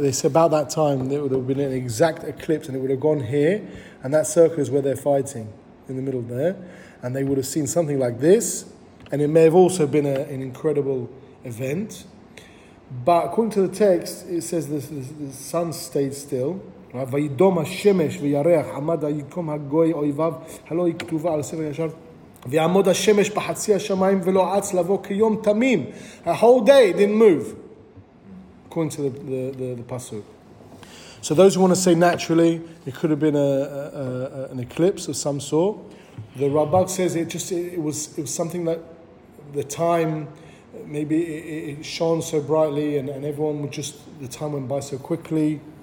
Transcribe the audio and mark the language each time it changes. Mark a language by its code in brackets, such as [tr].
[en] They say about that time there would have been an exact eclipse, and it would have gone here, and that circle is where they're fighting in the middle there, and they would have seen something like this, and it may have also been an incredible event. But according to the text, it says the sun stayed still. [he] וידום השמש וירח עמד היקום הגוי אויביו הלא היא כתובה על הספר ישר ויעמוד השמש בחצי השמיים ולא עץ לבוא כיום תמים. [en] A whole day didn't move according to the pasuk. So those who want to say naturally it could have been an eclipse of some sort, the Rabbah says it was something that the time, maybe it shone so brightly and everyone would just, the time went by so quickly.